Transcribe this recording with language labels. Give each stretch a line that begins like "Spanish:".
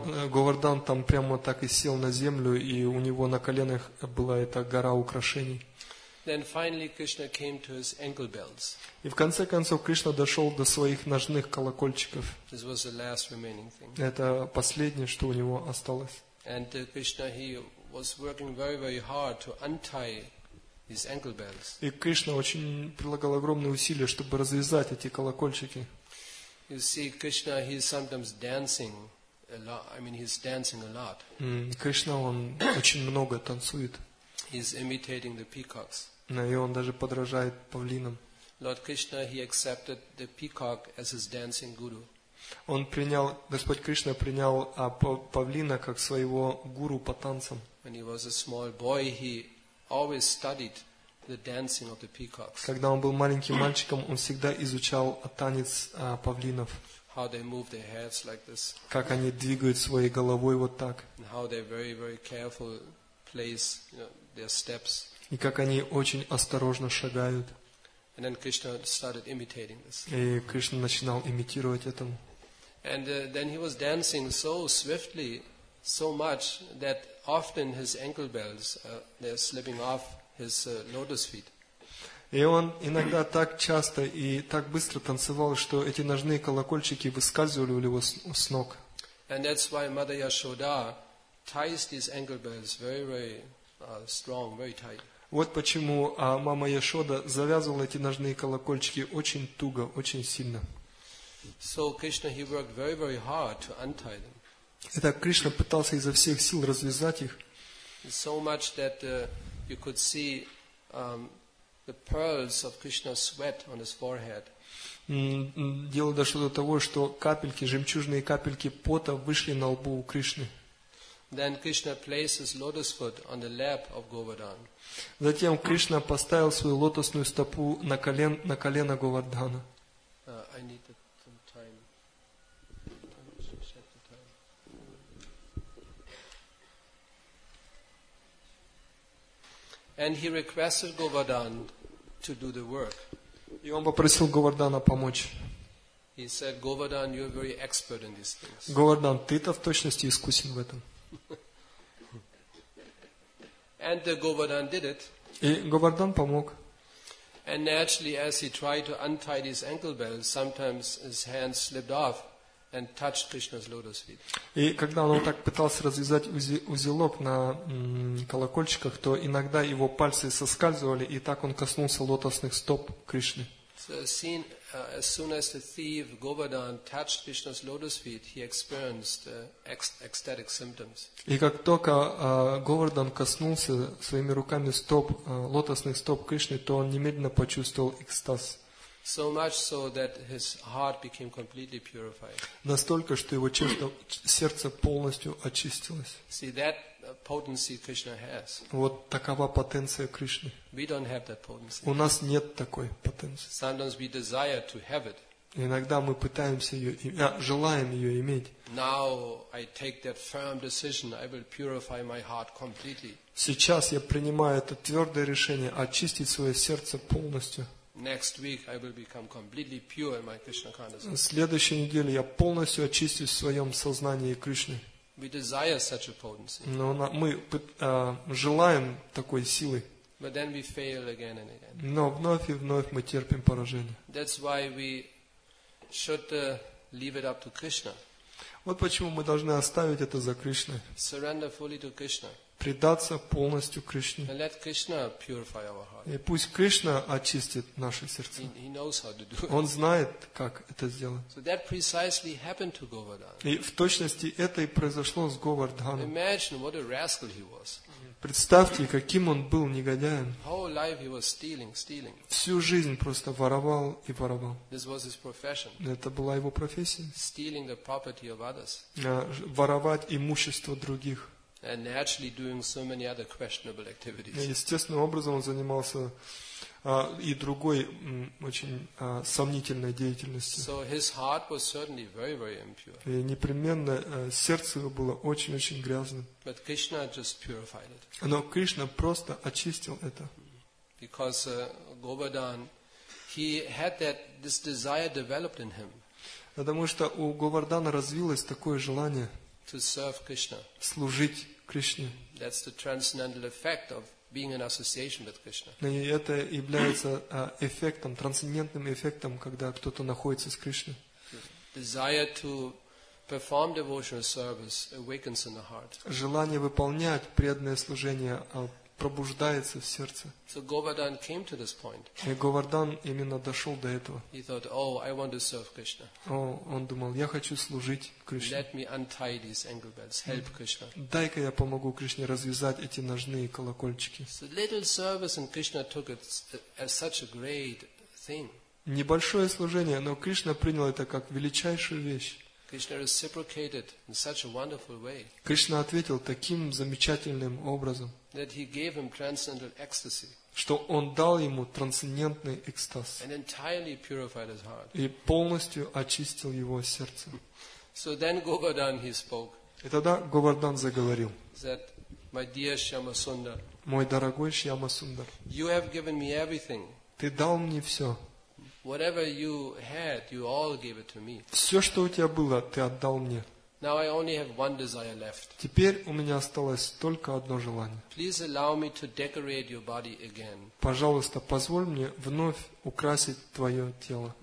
Russian: Говардан там прямо так и сел на землю, и у него на коленях была эта гора украшений.
English: Then finally Krishna came to his ankle bells.
Russian: И в конце концов Кришна дошел до своих ножных колокольчиков.
English: This was the last remaining thing.
Russian: Это последнее, что у него осталось.
English: And Krishna he was working very, very hard to untie his ankle bells.
Russian: И Кришна очень прилагал огромные усилия, чтобы развязать эти колокольчики.
English: You see, Krishna he is sometimes dancing a lot. I mean, he's dancing a lot.
Russian: Кришна он очень много танцует.
English: He's imitating the peacocks.
Russian: Да, и он даже подражает павлинам.
English: Lord Krishna, he accepted the peacock as his dancing guru.
Russian: Он принял, Господь Кришна принял павлина как своего гуру по танцам.
English: When he was a small boy, he always studied the dancing of the peacocks.
Russian: Когда он был маленьким мальчиком, он всегда изучал танец павлинов.
English: How they move their heads like this.
Russian: Как они двигают своей головой вот так.
English: And how they very, very careful place, you know, their steps.
Russian: И как они очень осторожно шагают.
English: And then Krishna started imitating this.
Russian: И Кришна начинал имитировать этому.
English: And then he was dancing so swiftly, so much that often his ankle bells they're slipping off his lotus feet.
Russian: И он иногда так часто и так быстро танцевал, что эти ножные колокольчики выскальзывали у него с ног.
English: And that's why Mother Yashoda ties these ankle bells very, very strong, very tight.
Russian: Вот почему мама Яшода завязывала эти ножные колокольчики очень туго, очень сильно.
English: So Krishna he worked very, very hard to untie them.
Russian: Итак, Кришна пытался изо всех сил развязать их.
English: So much that you could see the pearls of Krishna's sweat on his forehead.
Russian: Дело дошло до того, что капельки, жемчужные капельки пота вышли на лбу у Кришны.
English: Then Krishna placed his lotus foot on the lap of Govardhan.
Russian: Затем Кришна поставил свою лотосную стопу на колено Говардхана.
English: I need some time. Check the time. And he requested Govardhan to do the work.
Russian: И он попросил Говардхана помочь.
English: He said, "Govardhan, you are very expert in these things."
Russian: Говардхан, ты-то в точности искусен в этом.
English: And Govardhan did it.
Russian: И Говардан помог.
English: And naturally, as he tried to untie his ankle bells, sometimes his hands slipped off and touched Krishna's lotus feet.
Russian: И когда он так пытался развязать узелок на колокольчиках, то иногда его пальцы соскальзывали, и так он коснулся лотосных стоп Кришны.
English: As soon as the thief Govardhan touched Krishna's lotus feet, he experienced ecstatic symptoms.
Russian: И как только Говардан коснулся своими руками стоп лотосных стоп Кришны, то он немедленно почувствовал экстаз.
English: So much so that his heart became completely purified.
Russian: Настолько, что его сердце полностью очистилось.
English: See, that potency Krishna has.
Russian: Вот такова потенция Кришны.
English: We don't have that potency.
Russian: У нас нет такой потенции.
English: Sometimes we desire to have it.
Russian: Иногда мы пытаемся желаем ее иметь.
English: Now I take that firm decision. I will purify my heart completely.
Russian: Сейчас я принимаю это твердое решение очистить свое сердце полностью.
English: Next week I will become completely pure in my Krishna consciousness.
Russian: В следующей неделе я полностью очистюсь в своем сознании Кришны.
English: We desire such a potency.
Russian: Но мы желаем такой силы.
English: But then we fail again and again.
Russian: Но вновь и вновь мы терпим поражение.
English: That's why we should leave it up to Krishna.
Russian: Вот почему мы должны оставить это за Кришной.
English: Surrender fully to Krishna.
Russian: Предаться полностью Кришне.
English: And let Krishna purify our heart.
Russian: И пусть Кришна очистит наши сердца.
English: He knows how to do it.
Russian: Он знает, как это сделать.
English: So that precisely happened to Govardhan.
Russian: И в точности это и произошло с Говардханом.
English: Imagine what a rascal he was.
Russian: Представьте, каким он был негодяем.
English: Whole life he was stealing.
Russian: Всю жизнь просто воровал и воровал.
English: This was his profession.
Russian: Это была его профессия.
English: Stealing the property of others.
Russian: Воровать имущество других.
English: And naturally doing so many other questionable activities.
Russian: Естественным образом он занимался и другой очень сомнительной деятельностью.
English: So his heart was certainly very, very impure.
Russian: И непременно сердце его было очень-очень грязным.
English: But Krishna just purified it.
Russian: Но Кришна просто очистил это.
English: Because Govardhan, he had this desire developed in him.
Russian: Потому что у Говардана развилось такое желание
English: to serve Krishna.
Russian: Служить Кришне.
English: That's the transcendental effect of being in association with Krishna.
Russian: И это является эффектом, трансцендентным эффектом, когда кто-то находится с Кришной.
English: Desire to perform devotional service awakens in the heart.
Russian: Желание выполнять преданное служение пробуждается в сердце.
English: So Govardhan came to this point.
Russian: И Говардан именно дошел до этого.
English: He thought, "Oh, I want to serve Krishna."
Russian: О, он думал, я хочу служить Кришне.
English: Let me untie these ankle bells. Help Krishna.
Russian: Дай-ка я помогу Кришне развязать эти ножные колокольчики.
English: So little service and Krishna took it as such a great thing.
Russian: Небольшое служение, но Кришна принял это как величайшую вещь.
English: Krishna reciprocated in such a wonderful way.
Russian: Кришна ответил таким замечательным образом.
English: That he gave him transcendental ecstasy.
Russian: Что он дал ему трансцендентный экстаз.
English: And entirely purified his heart.
Russian: И полностью очистил его сердце.
English: So then Govardhan he spoke.
Russian: И тогда Говардан заговорил.
English: That, my dear Shyama Sundar.
Russian: Мой дорогой Шьяма Сундар.
English: You have given me everything.
Russian: Ты дал мне все.
English: Whatever you had, you all gave it to me.
Russian: Все, что у тебя было, ты отдал мне.
English: Now I only have one desire left.
Russian: Теперь у меня осталось только одно желание.
English: Please allow me to decorate your body again.
Russian: Пожалуйста, позволь мне вновь украсить твое тело.